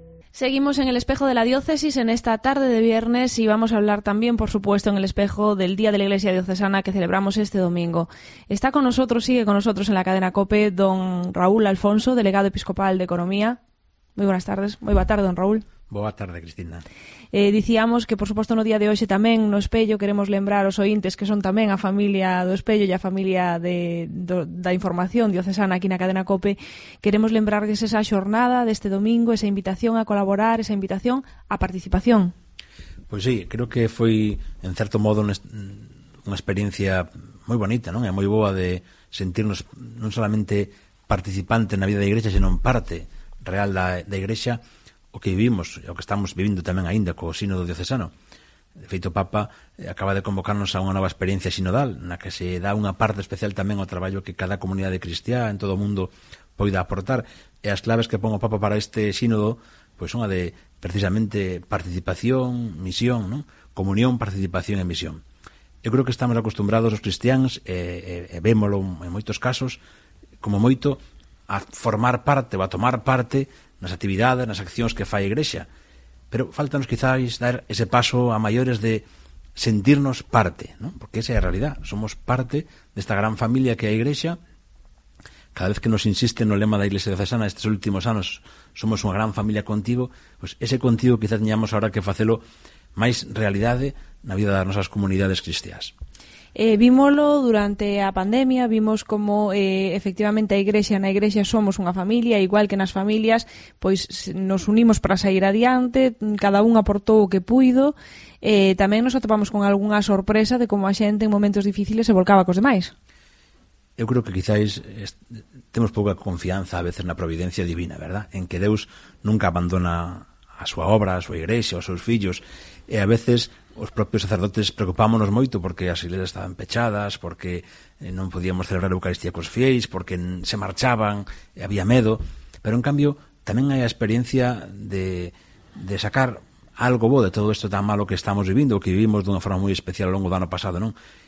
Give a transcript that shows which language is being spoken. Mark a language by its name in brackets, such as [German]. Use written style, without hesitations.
[Spanish] Seguimos en el Espejo de la Diócesis en esta tarde de viernes y vamos a hablar también, por supuesto, en el Espejo del Día de la Iglesia Diocesana que celebramos este domingo. Está con nosotros, sigue con nosotros en la cadena COPE, don Raúl Alfonso, delegado episcopal de Economía. Muy buenas tardes. Muy buena tarde, don Raúl. [Galician] Boa tarde, Cristina. Dicíamos que, por supuesto, no día de hoxe tamén no Espello queremos lembrar os ointes que son tamén a familia do Espello e a familia da información diocesana aquí na cadena COPE. Queremos lembrar que esa xornada deste domingo, esa invitación a colaborar, esa invitación a participación. Pois sí, creo que foi, en certo modo, unha experiencia moi bonita, non? É moi boa de sentirnos non solamente participante na vida da Igrexa, senón parte real da Igrexa, o que vivimos, o que estamos vivindo tamén aínda co sínodo diocesano. De feito, o Papa acaba de convocarnos a unha nova experiencia sinodal, na que se dá unha parte especial tamén ao traballo que cada comunidade cristiá en todo o mundo poida aportar. E as claves que pon o Papa para este sínodo pois son a de, precisamente, participación, misión, non? Comunión, participación e misión. Eu creo que estamos acostumbrados os cristiáns, e vémolo en moitos casos, como moito, a formar parte ou a tomar parte nas actividades, nas accións que fai a Igrexa. Pero faltanos quizáis dar ese paso a maiores de sentirnos parte, ¿no? Porque esa é a realidad. Somos parte desta gran familia que é a Igrexa. Cada vez que nos insiste no lema da Iglesia Diocesana estes últimos anos, somos unha gran familia contigo, pues ese contigo quizás teñamos ahora que facelo máis realidade na vida das nosas comunidades cristiás. Vímolo durante a pandemia, vimos como efectivamente a Igrexa, na Igrexa somos unha familia, igual que nas familias, pois nos unimos para sair adiante, cada un aportou o que puido, tamén nos atopamos con algunha sorpresa de como a xente en momentos difíciles se volcaba cos demais. Eu creo que quizáis temos pouca confianza a veces na providencia divina, verdad? En que Deus nunca abandona a súa obra, a súa Igrexa, os seus fillos, e a veces os propios sacerdotes preocupámonos moito porque as igrexas estaban pechadas, porque non podíamos celebrar a Eucaristía cos fieis, porque se marchaban e había medo, pero en cambio tamén hai a experiencia de sacar algo bo de todo isto tan malo que estamos vivindo, que vivimos dunha forma moi especial ao longo do ano pasado, non?